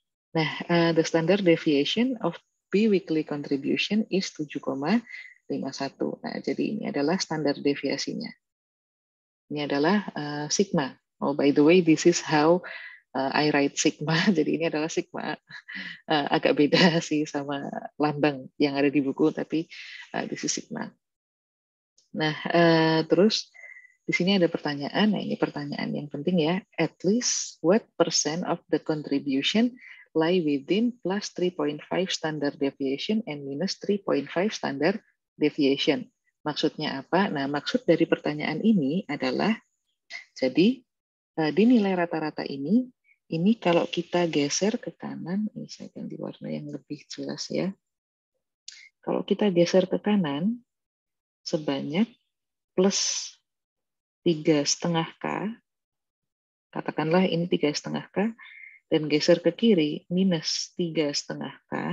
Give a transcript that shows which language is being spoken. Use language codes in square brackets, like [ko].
[en] Nah, the standard deviation of biweekly contribution is 7,51. [id] Nah, jadi ini adalah standar deviasinya. Ini adalah sigma. [en] Oh, by the way, this is how I write sigma. [id] Jadi ini adalah sigma. Agak beda sih sama lambang yang ada di buku, tapi [en] this is sigma. [id] Nah, terus di sini ada pertanyaan. Nah, ini pertanyaan yang penting ya. [en] At least what percent of the contribution lie within plus 3.5 standard deviation and minus 3.5 standard deviation. [id] Maksudnya apa? Nah, maksud dari pertanyaan ini adalah, jadi di nilai rata-rata ini kalau kita geser ke kanan, ini saya ganti warna yang lebih jelas ya. Kalau kita geser ke kanan, sebanyak plus 3,5K, katakanlah ini 3,5K, dan geser ke kiri minus 3,5K.